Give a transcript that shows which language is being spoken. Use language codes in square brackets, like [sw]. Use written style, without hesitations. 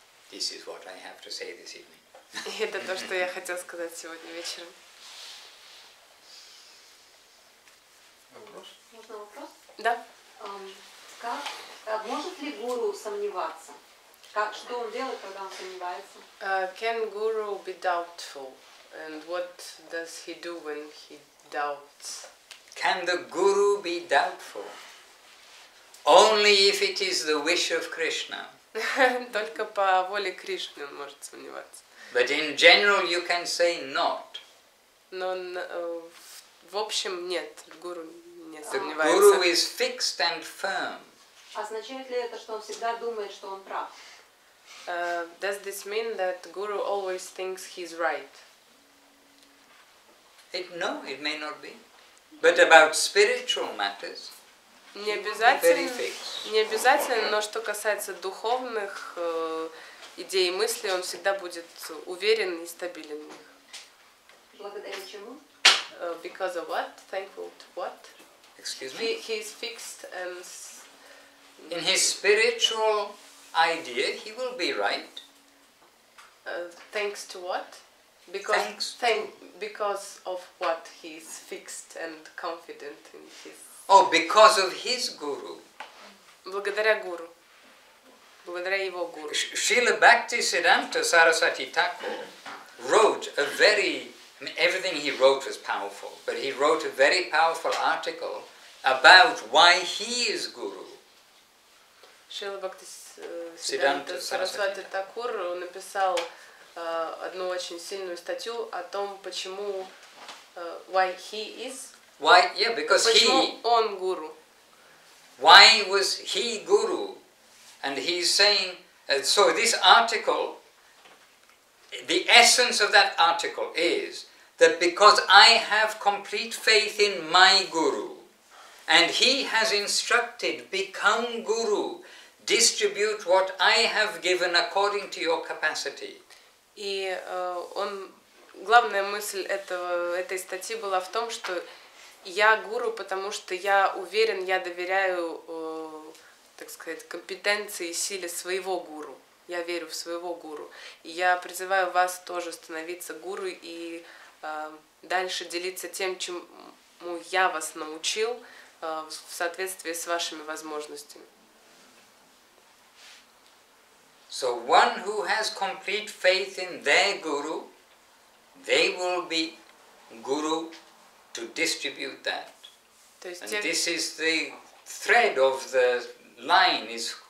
[en] This is what I have to say this evening. [ru] И это то, что я хотела сказать сегодня вечером. Вопрос? Можно вопрос? Да. Как может ли гуру сомневаться? Как, что он делает, когда он сомневается? [en] Can guru be doubtful? And what does he do when he doubts? Can the guru be doubtful? Only if it is the wish of Krishna. [ru] Только по воле Кришны он может сомневаться. [en] But in general, you can say not. [ru] Но в общем нет, гуру не сомневается. [en] The guru is fixed and firm. [ru] Означает ли это, что он всегда думает, что он прав? [en] Does this mean that guru always thinks he's right? It may not be. But about spiritual matters, [ru] не обязательно. Не обязательно, но что касается духовных идеи и мысли, он всегда будет уверен и стабилен в них. Благодаря чему? [en] Because of what? Thankful to what? Excuse me? He is fixed and... In his spiritual idea, he will be right. Thanks to what? Because of what? He is fixed and confident in his... Oh, because of his guru. [ru] Благодаря гуру. Благодаря его гуру. [en] Шрила Бхакти Сиддханта Сарасвати Тхакур wrote a very... I mean, everything he wrote was powerful, but he wrote a very powerful article about why he is guru. [ru] Шрила Бхакти Сиддханта Сарасвати Тхакур написал одну очень сильную статью о том, почему... [en] Why he is... Why? Yeah, because [ru] почему [en] he... [ru] Почему он гуру? [en] Why was he guru? And he's saying, so this article, the essence of that article is that because I have complete faith in my guru, and he has instructed, become guru, distribute what I have given according to your capacity. [ru] И он, главная мысль этой статьи была в том, что я гуру, потому что я уверен, я доверяю... так сказать, компетенции и силе своего гуру. Я верю в своего гуру. И я призываю вас тоже становиться гуру и дальше делиться тем, чему я вас научил в соответствии с вашими возможностями. [en] So one who has complete faith in their guru, they will be guru to distribute that. And this is the thread of the line is